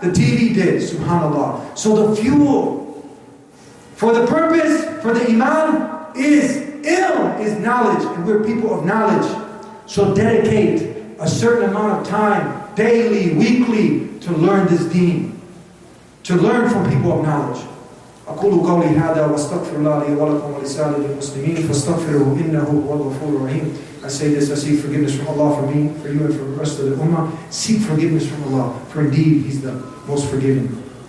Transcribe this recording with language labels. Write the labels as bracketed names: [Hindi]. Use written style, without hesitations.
[English] The TV did, subhanAllah. So the fuel for the purpose, for the iman, is ilm, is knowledge. And we're people of knowledge. So dedicate a certain amount of time, daily, weekly, to learn this deen. To learn from people of knowledge. [Arabic] أقول قولي هذا واستغفر الله لي ولكم ولسائر المسلمين فاستغفره إنه هو الغفور الرحيم. [English] I say this, I seek forgiveness from Allah for me, for you, and for the rest of the ummah. Seek forgiveness from Allah, for indeed He's the most forgiving.